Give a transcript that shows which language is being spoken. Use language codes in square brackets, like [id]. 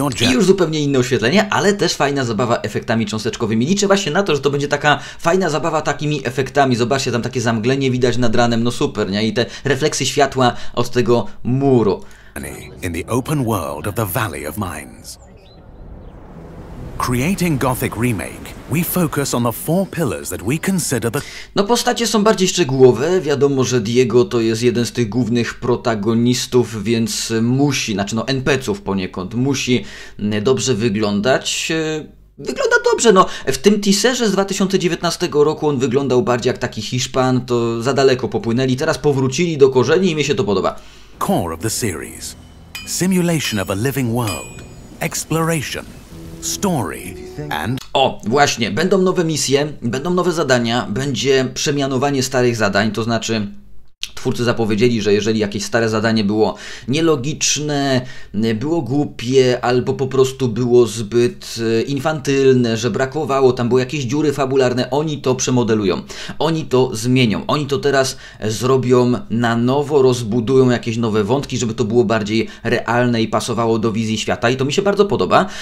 [pl] I już zupełnie inne oświetlenie, ale też fajna zabawa efektami cząsteczkowymi. Liczę właśnie na to, że to będzie taka fajna zabawa takimi efektami. Zobaczcie, tam takie zamglenie widać nad ranem, no super, nie? I te refleksy światła od tego muru. [en] In the open world of the Valley of Mines. Creating Gothic Remake, we focus on the four pillars that we consider the... [pl] No, postacie są bardziej szczegółowe. Wiadomo, że Diego to jest jeden z tych głównych protagonistów, więc musi, znaczy no NPC-ów poniekąd, musi dobrze wyglądać. Wygląda dobrze, no. W tym teaserze z 2019 roku on wyglądał bardziej jak taki Hiszpan, to za daleko popłynęli, teraz powrócili do korzeni i mi się to podoba. [en] Core of the series. Simulation of a living world. Exploration. Story and... [pl] O, właśnie, będą nowe misje, będą nowe zadania, będzie przemianowanie starych zadań, to znaczy twórcy zapowiedzieli, że jeżeli jakieś stare zadanie było nielogiczne, było głupie, albo po prostu było zbyt infantylne, że brakowało, tam były jakieś dziury fabularne, oni to przemodelują, oni to zmienią, oni to teraz zrobią na nowo, rozbudują jakieś nowe wątki, żeby to było bardziej realne i pasowało do wizji świata, i to mi się bardzo podoba.